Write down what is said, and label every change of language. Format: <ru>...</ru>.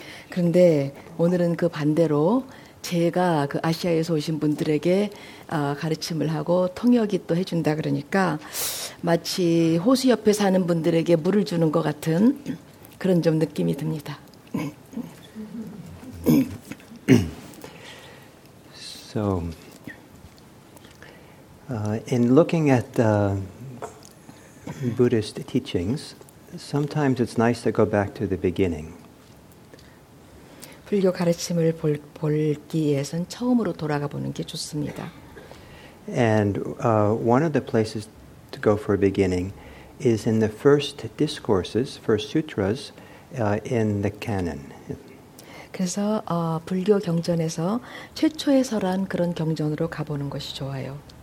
<ko>그런데 오늘은 그 반대로 제가 그 아시아에서 오신 분들에게 가르침을 하고 통역이 또 해준다 그러니까 마치 호수 옆에 사는 분들에게 물을 주는 것 같은 그런 좀 느낌이 듭니다.</ko> <en>So, in looking at the Buddhist teachings, sometimes it's nice to go back to the beginning.</en> <ko>불교 가르침을 볼기에선 처음으로 돌아가 보는 게 좋습니다.</ko> <en>And one of the places to go for a beginning is in the first discourses, first sutras in the canon.</en> <ko>그래서 불교 경전에서 최초의 설한 그런 경전으로 가보는 것이 좋아요.</ko>